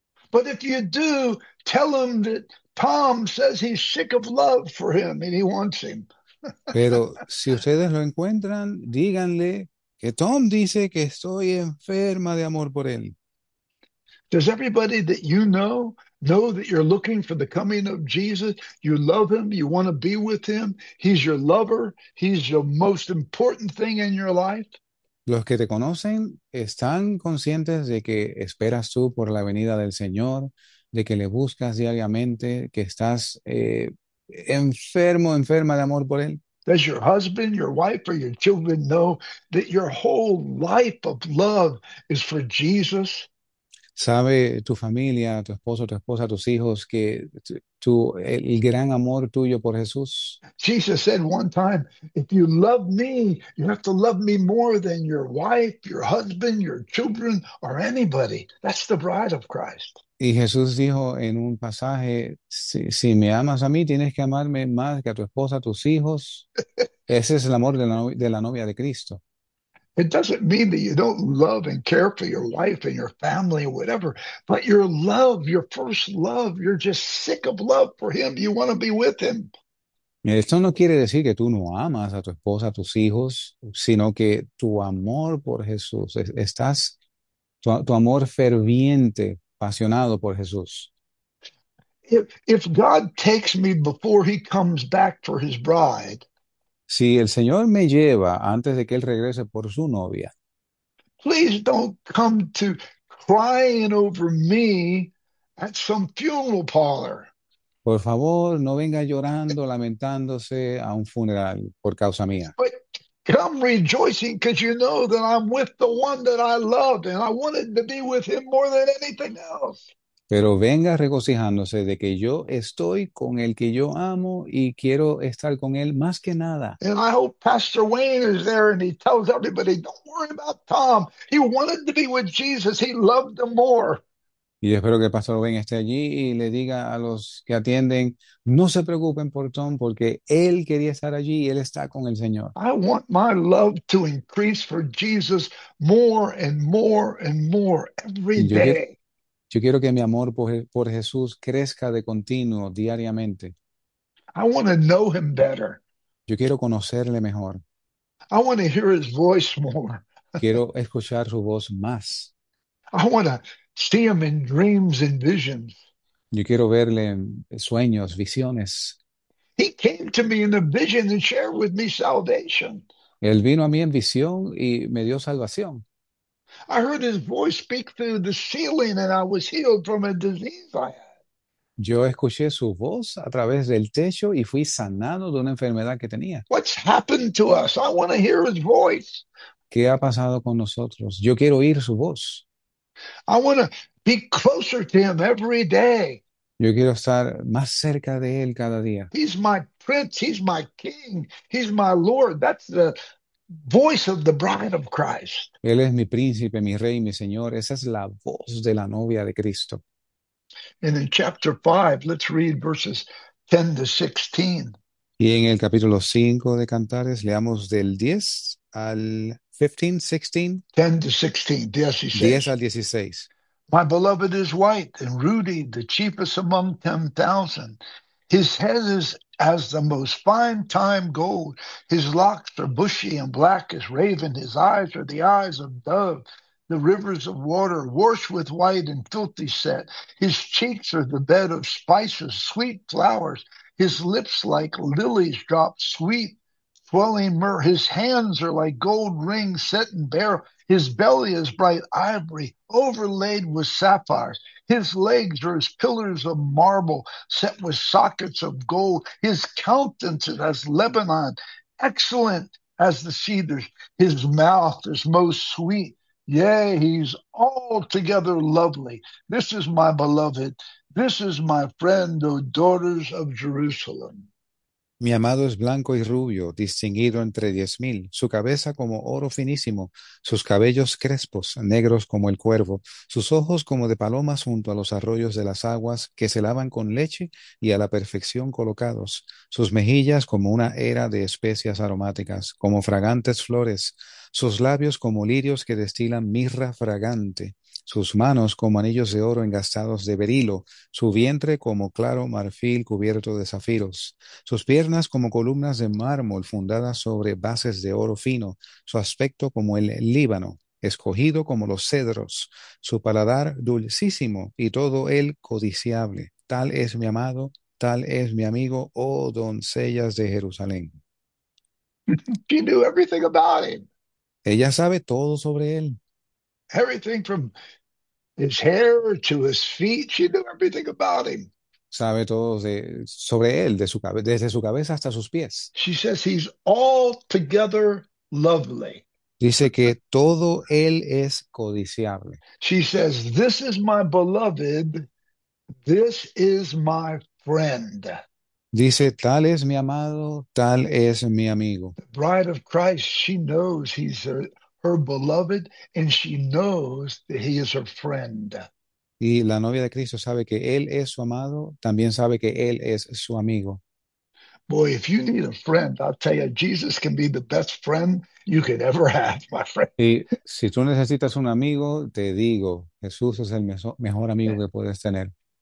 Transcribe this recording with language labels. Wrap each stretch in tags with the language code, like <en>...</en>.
<en>But if you do, tell him that Tom says he's sick of love for him and he wants him.</en> <es>Pero si ustedes lo encuentran, díganle que Tom dice que estoy enferma de amor por él.</es> <en>Does everybody that you know that you're looking for the coming of Jesus? You love him. You want to be with him. He's your lover. He's your most important thing in your life.</en> <es>Los que te conocen están conscientes de que esperas tú por la venida del Señor, de que le buscas diariamente, que estás enfermo, enferma de amor por él.</es> <en>Does your husband, your wife, or your children know that your whole life of love is for Jesus?</en> <es>¿Sabe tu familia, tu esposo, tu esposa, tus hijos, que el gran amor tuyo por Jesús?</es> <en>Jesus said one time, if you love me, you have to love me more than your wife, your husband, your children, or anybody. That's the bride of Christ.</en> <es>Y Jesús dijo en un pasaje, si me amas a mí, tienes que amarme más que a tu esposa, a tus hijos. Ese es el amor de la novia de Cristo.</es> <en>It doesn't mean that you don't love and care for your wife and your family or whatever, but your love, your first love, you're just sick of love for him. You want to be with him.</en> <es>Esto no quiere decir que tú no amas a tu esposa, a tus hijos, sino que tu amor por Jesús, tu amor ferviente, apasionado por Jesús.</es> <en>If God takes me before he comes back for his bride,</en> <es>Si el Señor me lleva antes de que Él regrese por su novia.</es> <en>please don't come to crying over me at some funeral parlor.</en> <es>Por favor, no venga llorando, lamentándose a un funeral por causa mía.</es> <en>But come rejoicing because you know that I'm with the one that I loved and I wanted to be with him more than anything else.</en> <es>Pero venga regocijándose de que yo estoy con el que yo amo y quiero estar con él más que nada.</es> <en>And I hope Pastor Wayne is there and he tells everybody, don't worry about Tom. He wanted to be with Jesus. He loved him more.</en> <es>Y espero que el pastor Ben esté allí y le diga a los que atienden, no se preocupen por Tom porque él quería estar allí y él está con el Señor.</es> <en>I want my love to increase for Jesus more and more and more every day.</en> <es>Yo quiero que mi amor por Jesús crezca de continuo, diariamente.</es> <en>I want to know him better.</en> <es>Yo quiero conocerle mejor.</es> <en>I want to hear his voice more.</en> <es>Quiero escuchar su voz más.</es> <en>I want to see him in dreams and visions.</en> <es>Yo quiero verle en sueños, visiones.</es> <en>He came to me in a vision and shared with me salvation.</en> <es>Él vino a mí en visión y me dio salvación.</es> <en>I heard his voice speak through the ceiling and I was healed from a disease I had.</en> <es>Yo escuché su voz a través del techo y fui sanado de una enfermedad que tenía.</es> <en>What's happened to us? I want to hear his voice.</en> <es>¿Qué ha pasado con nosotros? Yo quiero oír su voz.</es> <en>I want to be closer to him every day.</en> <es>Yo quiero estar más cerca de él cada día.</es> <en>He's my prince, he's my king, he's my lord. That's the voice of the bride of Christ.</en> <es>Él es mi príncipe, mi rey, mi señor. Esa es la voz de la novia de Cristo.</es> <en>And in chapter 5, let's read verses 10 to 16.</en> <es>Y en el capítulo 5 de Cantares, leamos del 10 al 15, 16,</es> <en>10 to 16, 10 16.</en> <es>al 16.</es> <en>My beloved is white and ruddy, the chiefest among 10,000. His head is as the most fine time gold. His locks are bushy and black as raven. His eyes are the eyes of dove. The rivers of water washed with white and filthy set. His cheeks are the bed of spices, sweet flowers. His lips like lilies drop sweet, swelling myrrh. His hands are like gold rings set in beryl. His belly is bright ivory, overlaid with sapphires. His legs are as pillars of marble, set with sockets of gold. His countenance is as Lebanon, excellent as the cedars. His mouth is most sweet. Yea, he's altogether lovely. This is my beloved. This is my friend, O daughters of Jerusalem.</en> <es>Mi amado es blanco y rubio, distinguido entre 10.000, su cabeza como oro finísimo, sus cabellos crespos, negros como el cuervo, sus ojos como de palomas junto a los arroyos de las aguas que se lavan con leche y a la perfección colocados, sus mejillas como una era de especias aromáticas, como fragantes flores, sus labios como lirios que destilan mirra fragante, sus manos como anillos de oro engastados de berilo, su vientre como claro marfil cubierto de zafiros, sus piernas como columnas de mármol fundadas sobre bases de oro fino, su aspecto como el Líbano, escogido como los cedros, su paladar dulcísimo y todo él codiciable. Tal es mi amado, tal es mi amigo, oh doncellas de Jerusalén.</es> <en>She knew everything about him.</en> <es>Ella sabe todo sobre él.</es> <en>Everything from his hair to his feet, she knew everything about him.</en> <es>Sabe todo sobre él, desde su cabeza hasta sus pies.</es> <en>She says he's altogether lovely.</en> <es>Dice que todo él es codiciable.</es> <en>She says, "This is my beloved. This is my friend."</en> <es>Dice, tal es mi amado, tal es mi amigo.</es> <en>Bride of Christ, she knows he's her beloved, and she knows that he is her friend.</en> <es>Y la novia de Cristo sabe que él es su amado, también sabe que él es su amigo.</es> <en>Boy, if you need a friend, I'll tell you, Jesus can be the best friend you could ever have, my friend.</en> <es>Y si tú necesitas un amigo, te digo, Jesús es el mejor amigo que puedes tener.</es>